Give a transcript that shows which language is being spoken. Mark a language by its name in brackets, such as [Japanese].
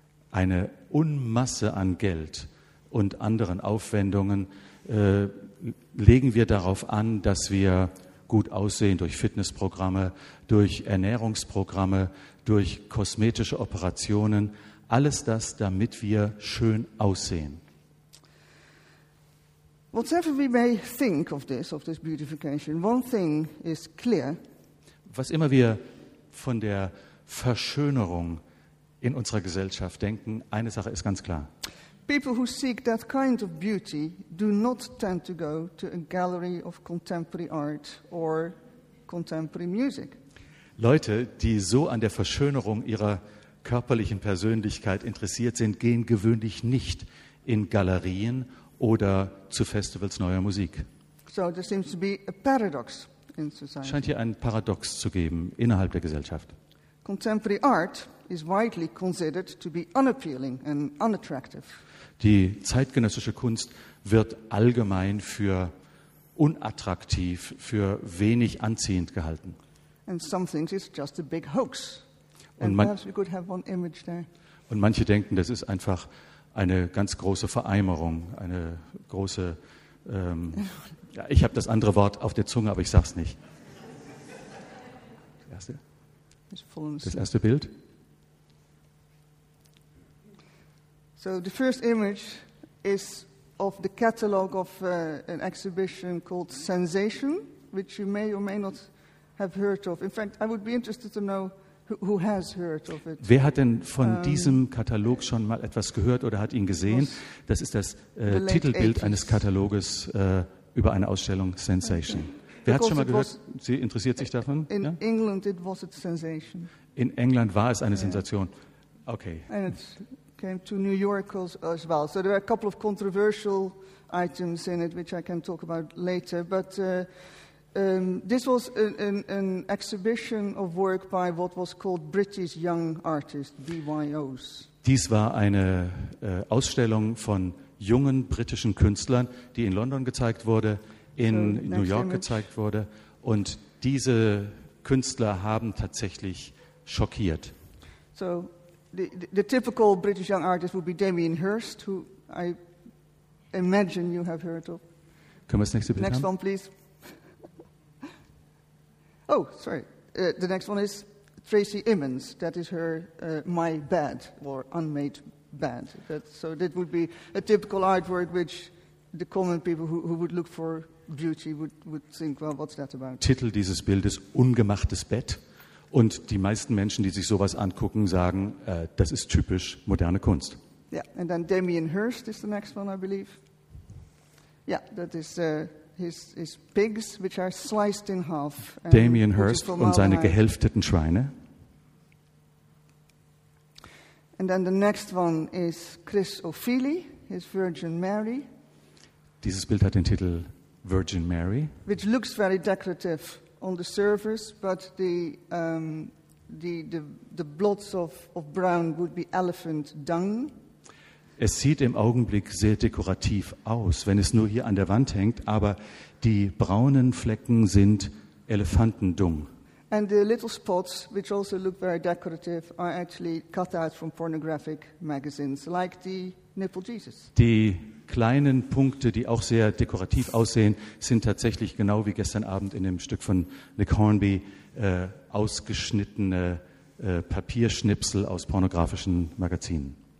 [German] Eine Unmasse an Geld und anderen Aufwendungen legen wir darauf an, dass wir gut aussehen durch Fitnessprogramme, durch Ernährungsprogramme, durch kosmetische Operationen, alles das, damit wir schön aussehen. [English] Whatever we may think of this beautification, one thing is clear. [German] Was immer wir von der Verschönerung in unserer Gesellschaft denken, eine Sache ist ganz klar. [English] People who seek that kind of beauty do not tend to go to a gallery of contemporary art or contemporary music. [German] Leute, die so an der Verschönerung ihrer körperlichen Persönlichkeit interessiert sind, gehen gewöhnlich nicht in Galerien oder zu Festivals neuer Musik. [English] So there seems to be a paradox in society. [German] Scheint hier ein Paradox zu geben innerhalb der Gesellschaft. [English] Contemporary art is widely considered to be unappealing and unattractive. [German] Die zeitgenössische Kunst wird allgemein für unattraktiv, für wenig anziehend gehalten. [English] And some think it's just a big hoax. And perhaps we could have one image there. [German] Und manche denken, das ist einfach eine ganz große Vereimerung, eine große, ja, ich habe das andere Wort auf der Zunge, aber ich sage es nicht. Das erste Bild. [English] So the first image is of the catalog of an exhibition called Sensation, which you may or may not have heard of. In fact, I would be interested to know who has heard of it. [German] Wer hat denn von diesem Katalog schon mal etwas gehört oder hat ihn gesehen? Das ist das Titelbild eines Kataloges über eine Ausstellung Sensation. Okay. Wer hat schon mal gehört? Sie interessiert sich davon? [English] In England it was a sensation. [German] In England war es eine Sensation. Okay. [English] And it came to New York as well. So there are a couple of controversial items in it which I can talk about later, but this was an exhibition of work by what was called British Young Artists, BYOs. [German] Dies war eine Ausstellung von jungen britischen Künstlern, die in London gezeigt wurde, in New York gezeigt wurde. Und diese Künstler haben tatsächlich schockiert. [English] So, the typical British Young Artist would be Damien Hirst, who I imagine you have heard of. [German] Können wir das nächste Bild [English] next [German] haben? [English] Next one, please. Oh, sorry. The next one is Tracy Emmons. That is her My Bed or Unmade Bed. So that would be a typical artwork which the common people who would look for beauty would think, well, what's that about? [German] Titel dieses Bildes, Ungemachtes Bett. Und die meisten Menschen, die sich sowas angucken, sagen, das ist typisch moderne Kunst. [English] Yeah, and then Damien Hirst is the next one, I believe. Yeah, that is... His pigs, which are sliced in half. [German] Damien Hirst und seine gehälfteten Schweine. [English] And then the next one is Chris Ofili, his Virgin Mary. [German] Dieses Bild hat den Titel Virgin Mary. [English] Which looks very decorative on the surface, but the blots of brown would be elephant dung. [German] Es sieht im Augenblick sehr dekorativ aus, wenn es nur hier an der Wand hängt, aber die braunen Flecken sind Elefantendung. [English] And the little spots, which also look very decorative, are actually cut out from pornographic magazines, like the nipple Jesus. [German] Die kleinen Punkte, die auch sehr dekorativ aussehen, sind tatsächlich genau wie gestern Abend in dem Stück von Nick Hornby ausgeschnittene Papierschnipsel aus pornografischen Magazinen.